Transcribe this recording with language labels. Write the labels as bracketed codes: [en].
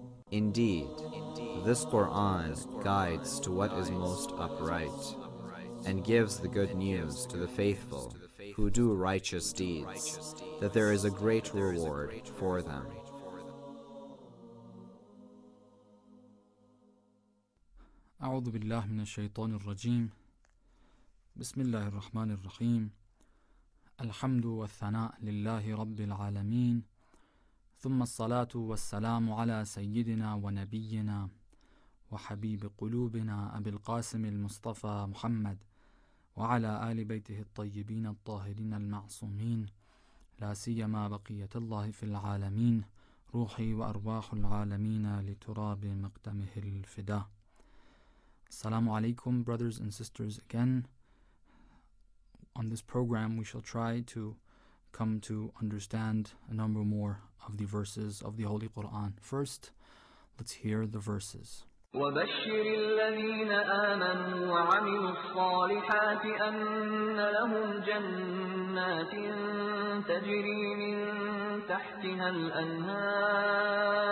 [en] Indeed, this Quran guides to what is most upright and gives the good news to the faithful who do righteous deeds, that there is a great reward for them. [ar] أعوذ بالله من الشيطان الرجيم بسم الله الرحمن الرحيم الحمد والثناء لله رب العالمين ثم الصلاة والسلام على سيدنا ونبينا وحبيب قلوبنا أبي القاسم المصطفى محمد وعلى آل بيته الطيبين الطاهرين المعصومين لا سيما بقية الله في العالمين روحي وأرواح العالمين لتراب مقدمه الفداء. [en] Assalamu alaikum, brothers and sisters, again. On this program, we shall try to come to understand a number more of the verses of the Holy Quran. First, let's hear the verses. [ar] وَبَشِّرِ الَّذِينَ آمَنُوا وَعَمِلُوا الصَّالِحَاتِ أَنَّ لَهُمْ جَنَّاتٍ تَجْرِي مِنْ تَحْتِهَا الْأَنْهَارُ